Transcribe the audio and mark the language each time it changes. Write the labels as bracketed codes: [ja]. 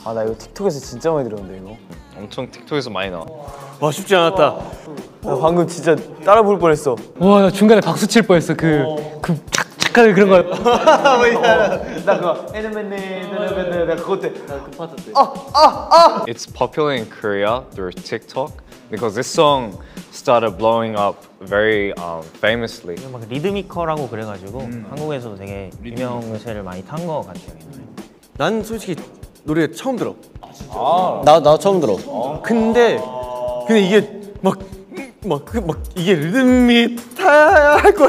[ko] 아, 나 이거 틱톡에서 진짜 많이 들었는데 이거. 엄청 틱톡에서 많이 나와. 와, 쉽지 않았다. 나 방금 진짜 따라 부를 뻔했어. 와, 나 중간에 박수 칠 뻔했어. 그 그 그런 거. 나 그거 애니메네 애니메네 나 그거 때 [en] 나 It's popular in Korea through TikTok because this song started blowing up very famously. [ko] 막 리드미컬하고 그래가지고 한국에서도 되게 유명세를 많이 탄 거 같아요. 난 솔직히 노래 처음 들어. 아 진짜? 나 처음 들어. 근데 이게 막 막 이게 리듬이 타야 할 거야.